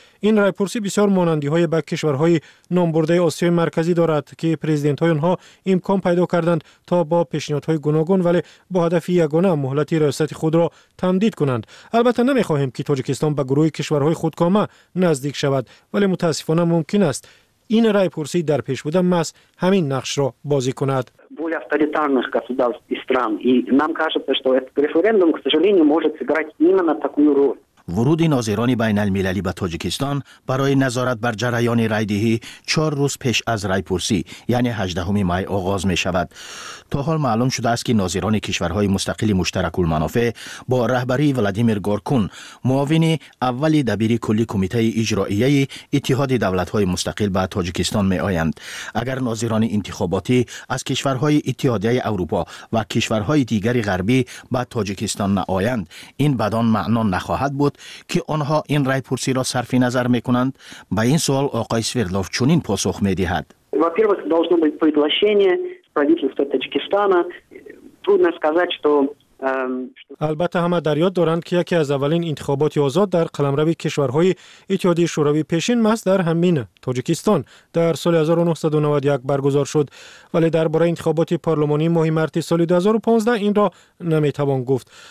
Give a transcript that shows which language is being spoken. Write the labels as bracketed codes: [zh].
[fa] این رای پرسی بسیار مانندی های به کشورهای نامبرده آسیای مرکزی دارد که پرزیدنت های آنها امکان پیدا کردند تا با پیشنهادهای گوناگون ولی با هدف یگانه مهلت ریاست خود را تمدید کنند. البته نمی خواهیم که تاجیکستان به گروه کشورهای خودکامه نزدیک شود، ولی متاسفانه ممکن است این رای پرسی در پیش بوده مس همین نقش را بازی کند. [ru] Более авторитарных государств и стран. И нам кажется, что этот референдум, к сожалению, может сыграть именно такую роль. [fa] ورود ناظران بین المللی به تاجیکستان برای نظارت بر جریان رایدهی 4 روز پیش از رای پرسی یعنی 18 می آغاز می شود. تا حال معلوم شده است که ناظران کشورهای مستقل مشترک المنافع با رهبری ولادیمیر گورکون، معاون اول دبیر کلی کمیته اجرایی اتحاد دولت‌های مستقل به تاجیکستان می آیند. اگر ناظران انتخاباتی از کشورهای اتحادیه اروپا و کشورهای دیگر غربی به تاجیکستان نآیند، این بدان معنا نخواهد بود که آنها این رای پرسی را صرف نظر می کنند. به این سوال آقای سویردلوف چنین پاسخ می دهد. [ru] Во-первых, должно быть приглашение правительства Таджикистана. Трудно сказать, что [fa] البته همه در یاد دارند که یکی از اولین انتخابات آزاد در قلمرو کشورهای اتحادیه شوروی پیشین ماست در همین تاجیکستان در سال 1991 برگزار شد، ولی درباره انتخابات پارلمانی ماه مارس سال 2015 این را نمیتوان گفت.